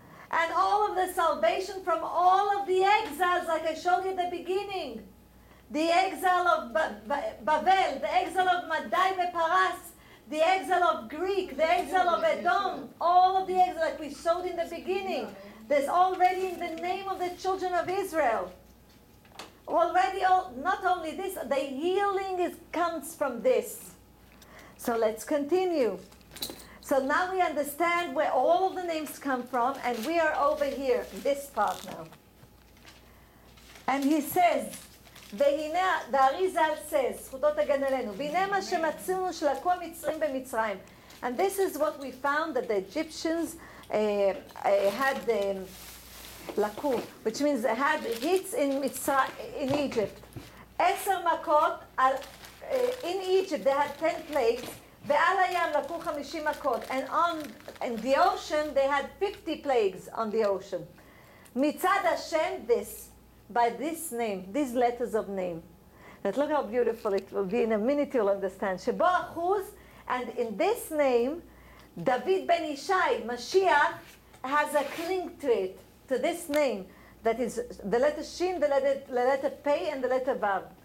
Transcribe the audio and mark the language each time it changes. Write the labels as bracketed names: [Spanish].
[English] And all of the salvation from all of the exiles, like I showed you at the beginning, the exile of Babel, the exile of Madai Beparas, the exile of Greek, the exile of Edom, all of the exile, like we showed in the beginning, there's already in the name of the children of Israel. Already, all, not only this, the healing is, comes from this. So let's continue. So now we understand where all of the names come from, and we are over here, this part now. And he says, [Hebrew] והנה, והריזל [English] says, [Hebrew] זכותות הגן עלינו, והנה מה שמצאינו שלקו המצרים במצרים. [English] And this is what we found, that the Egyptians had לקו, which means they had hits in, in Egypt. [Hebrew] 10 מכות על, [English] in Egypt, they had 10 plagues, [Hebrew] ועל הים לקו 50 מכות. [English] And on in the ocean, they had 50 plagues on the ocean. [Hebrew] מצד השם, [English] this. By this name, these letters of name. But look how beautiful it will be in a minute, you'll understand. [Hebrew] Shebo Achuz, [English] and in this name, David Ben Ishai, Mashiach, has a cling to it, to this name, that is the letter Shin, the letter Pei, and the letter Vav.